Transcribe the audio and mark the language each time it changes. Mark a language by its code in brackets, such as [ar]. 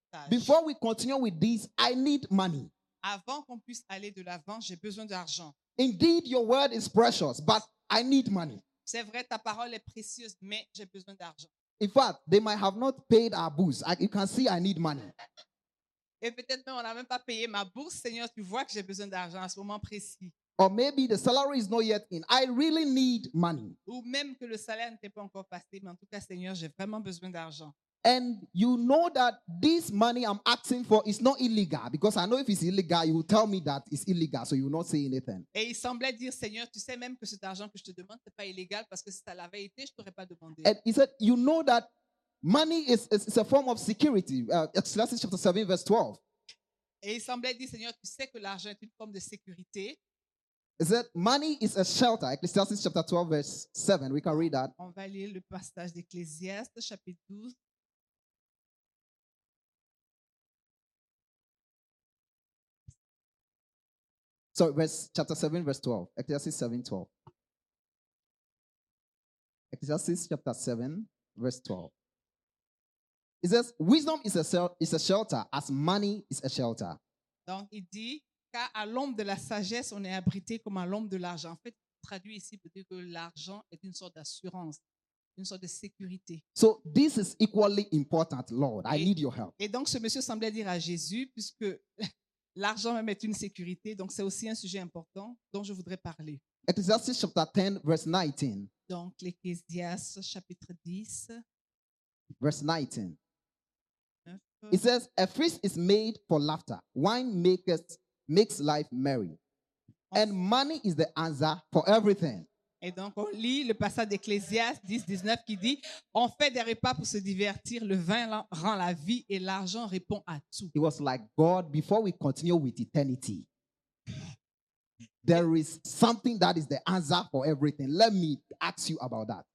[en] Before we continue with this, I need money. [fr] Avant qu'on puisse aller de l'avant, j'ai besoin d'argent. [en] Indeed, your word is precious, but I need money. [fr] C'est vrai, ta parole est précieuse, mais j'ai besoin d'argent. [en] In fact, they might have not paid our bourse. You can see I need money. [fr] Et peut-être même on n'a même pas payé ma bourse, Seigneur, tu vois que j'ai besoin d'argent à ce moment précis. [en] Or maybe the salary is not yet in. I really need money. [fr] Ou même que le salaire n'était pas encore passé, mais en tout cas, Seigneur, j'ai vraiment besoin d'argent. [en] And you know that this money I'm asking for is not illegal. Because I know if it's illegal, you will tell me that it's illegal. So you will not say anything. [fr] Et il semblait dire, Seigneur, tu sais même que cet argent que je te demande, c'est pas illégal parce que si ça l'avait été, je t'aurais pas demandé. [en] And he said, you know that money is a form of security. Exodus chapter 7, verse 12. [fr] Et il semblait dire, Seigneur, tu sais que l'argent est une forme de sécurité. [en] He said, money is a shelter. Ecclesiastes chapter 12, verse 7. We can read that. [fr] On va lire le passage d'Ecclésiaste, chapitre 12. [en] Sorry, verse chapter 7, verse 12. Ecclesiastes 7, 12. Ecclesiastes chapter 7, verse 12. It says, wisdom is a shelter as money is a shelter. [fr] Donc, il dit, car à l'ombre de la sagesse, on est abrité comme à l'ombre de l'argent. En fait, il traduit ici, peut-être que l'argent est une sorte d'assurance, une sorte de sécurité. [en] So, this is equally important, Lord. I need your help. [fr] Et donc, ce monsieur semblait dire à Jésus, puisque... L'argent même est une sécurité, donc c'est aussi un sujet important dont je voudrais parler. [en] Ecclesiastes chapter 10, verse 19. [fr] Donc, l'Ecclésias, chapitre 10. [en] Verse 19. 9. It says, a feast is made for laughter. Wine makes life merry. And money is the answer for everything. [fr] Et donc, on lit le passage d'Ecclésias 10, 19 qui dit, on fait des repas pour se divertir, le vin rend la vie et l'argent répond à tout. [en] It was like, God, before we continue with eternity, there is something that is the answer for everything. Let me ask you about that.